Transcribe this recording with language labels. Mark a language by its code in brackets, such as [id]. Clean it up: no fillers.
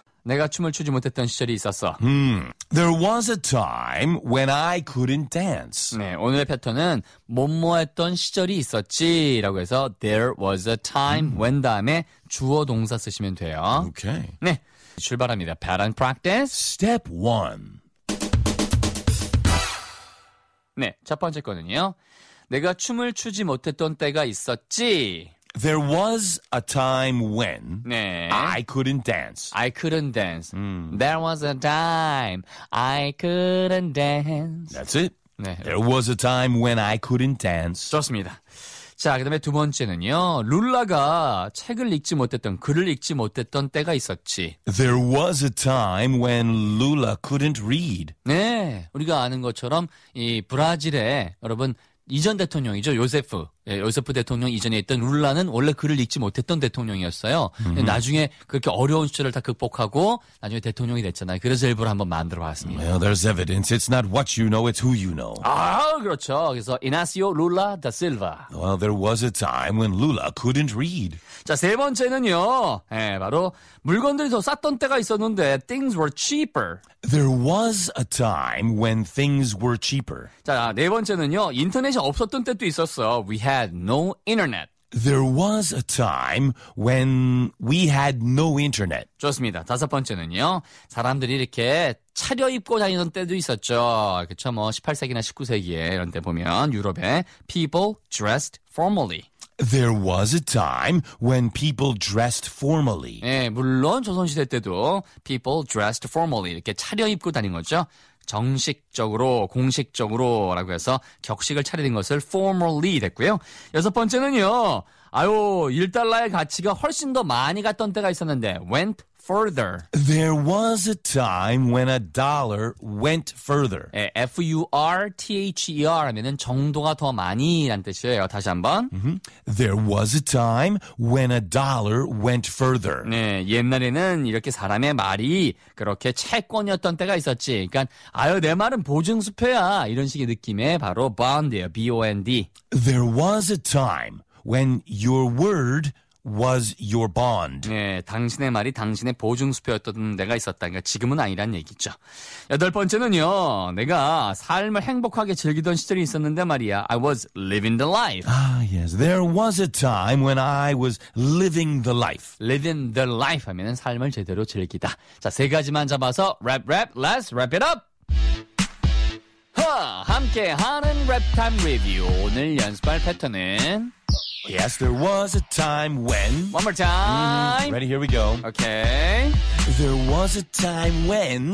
[ko] 내가 춤을 추지 못했던 시절이 있었어. [en] There was a time when I couldn't dance. [ko] 네, 오늘의 패턴은 뭐뭐했던 시절이 있었지라고 해서 [en] There was a time when [ko] 다음에 주어 동사 쓰시면 돼요. [en] Okay. [ko] 네, 출발합니다. [en] Pattern practice. Step 1. [ko] 네, 첫 번째 거는요. 내가 춤을 추지 못했던 때가 있었지. [en] There was a time when 네. I couldn't dance. I couldn't dance. There was a time I couldn't dance. That's it. 네. There was a time when I couldn't dance. [ko] 좋습니다. 자, 그 다음에 두 번째는요. 룰라가 책을 읽지 못했던, 글을 읽지 못했던 때가 있었지. [en] There was a time when Lula couldn't read. [ko] 네. 우리가 아는 것처럼 이 브라질에 여러분 이전 대통령이죠. 요세프. 예, 요세프 대통령 이전에 있던 룰라는 원래 글을 읽지 못했던 대통령이었어요. 나중에 그렇게 어려운 시절을 다 극복하고 나중에 대통령이 됐잖아요. 그래서 일부러 한번 만들어봤습니다. [en] Well, there's evidence. It's not what you know, it's who you know. [ko] 아, 그렇죠. 그래서 Inacio Lula da Silva. [en] Well, there was a time when Lula couldn't read. [ko] 자, 세 번째는요. 예, 바로 물건들이 더 쌌던 때가 있었는데 [en] things were cheaper. There was a time when things were cheaper. [ko] 자, 네 번째는요. 인터넷이 없었던 때도 있었어. [en] We had no internet. There was a time when we had no internet. [ko] 좋습니다. 다섯 번째는요. 사람들이 이렇게 차려입고 다니던 때도 있었죠. 그쵸? 뭐 18세기나 19세기에 이런 데 보면 유럽에 [en] people dressed formally. There was a time when people dressed formally. [ko] 네, 물론 조선시대 때도 [en] people dressed formally. [ko] 이렇게 차려입고 다닌 거죠. 정식적으로, 공식적으로라고 해서 격식을 차리는 것을 formally 됐고요. 여섯 번째는요. 아유, 1달러의 가치가 훨씬 더 많이 갔던 때가 있었는데 [en] went further. There was a time when a dollar went further. [ko] 네, F-U-R-T-H-E-R 하면은 정도가 더 많이란 뜻이에요. 다시 한번. [en] There was a time when a dollar went further. [ko] 네, 옛날에는 이렇게 사람의 말이 그렇게 채권이었던 때가 있었지. 그러니까 아유 내 말은 보증수표야 이런 식의 느낌의 바로 bond예요. [en] B-O-N-D. There was a time when your word was your bond. [ko] 네, 당신의 말이 당신의 보증수표였던 데가 있었다. 그러니까 지금은 아니란 얘기죠. 여덟 번째는요. 내가 삶을 행복하게 즐기던 시절이 있었는데 말이야. [en] I was living the life. Yes, there was a time when I was living the life. Living the life [ko] 하면은 삶을 제대로 즐기다. 자, 세 가지만 잡아서 랩, rap, [en] let's wrap it up. [ko] 함께하는 랩 타임 리뷰. 오늘 연습할 패턴은 [en] Yes, there was a time when One more time Ready, here we go Okay There was a time when